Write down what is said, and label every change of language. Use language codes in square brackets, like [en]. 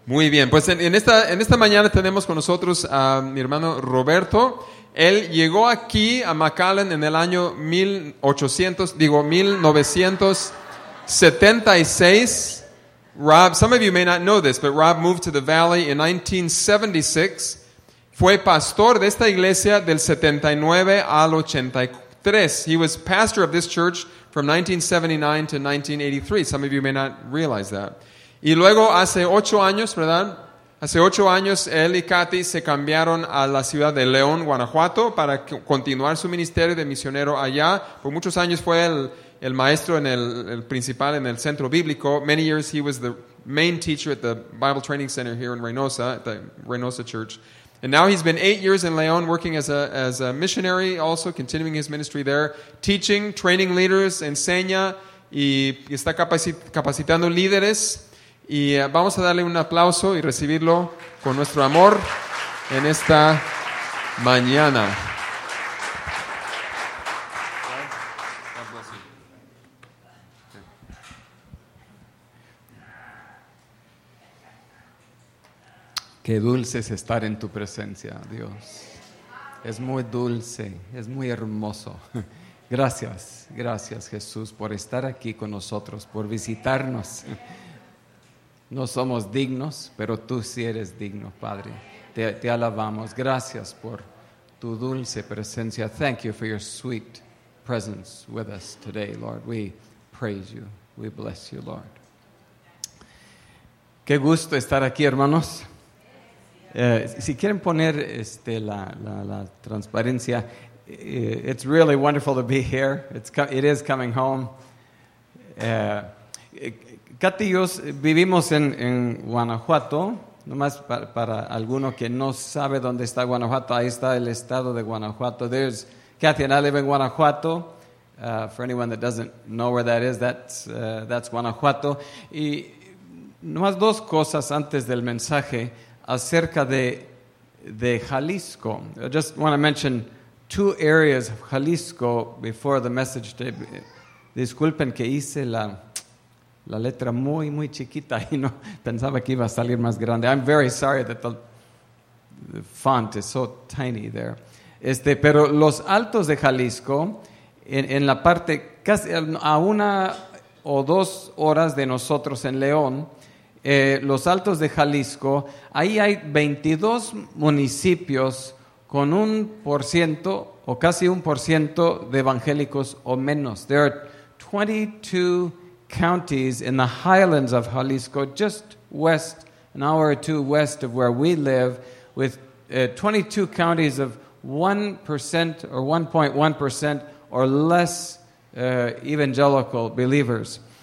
[es] Muy bien, pues en esta mañana tenemos con nosotros a mi hermano Roberto. Él llegó aquí a McAllen en el año 1976. [en] Rob, some of you may not know this, but Rob moved to the Valley in 1976. [es] Fue pastor de esta iglesia del 79 al 83. [en] He was pastor of this church from 1979 to 1983. Some of you may not realize that. [es] Y luego hace 8 años, ¿verdad? Hace 8 años, él y Kathy se cambiaron a la ciudad de León, Guanajuato, para continuar su ministerio de misionero allá. Por muchos años fue el maestro en el principal en el centro bíblico. [en] Many years he was the main teacher at the Bible Training Center here in Reynosa, at the Reynosa Church. And now he's been 8 years in León working as a missionary, also continuing his ministry there, teaching, training leaders, [es] enseña, y está capacitando líderes. Y vamos a darle un aplauso y recibirlo con nuestro amor en esta mañana. Qué dulce es estar en tu presencia, Dios. Es muy dulce, es muy hermoso. Gracias, gracias Jesús por estar aquí con nosotros, por visitarnos. No somos dignos, pero tú sí eres digno, Padre. Te alabamos. Gracias por tu dulce presencia. [en] Thank you for your sweet presence with us today, Lord. We praise you. We bless you, Lord. [es] Qué gusto estar aquí, hermanos. Si quieren poner la transparencia, [en] it's really wonderful to be here. It is coming home. [es] Kathy y yo vivimos en Guanajuato, nomás para alguno que no sabe dónde está Guanajuato, ahí está el estado de Guanajuato. [en] There's Kathy and I live in Guanajuato. For anyone that doesn't know where that is, that's Guanajuato. [es] Y nomás dos cosas antes del mensaje acerca de Jalisco. [en] I just want to mention two areas of Jalisco before the message today. [es] Disculpen que hice la letra muy, muy chiquita, y no pensaba que iba a salir más grande. [en] I'm very sorry that the font is so tiny there. [es] Pero los Altos de Jalisco, en la parte casi a 1 o 2 horas de nosotros en León, los Altos de Jalisco, ahí hay 22 municipios con 1% o casi 1% de evangélicos o menos. [en] There are 22 counties in the highlands of Jalisco, just west, an hour or two west of where we live, with 22 counties of 1% or 1.1% or less evangelical believers.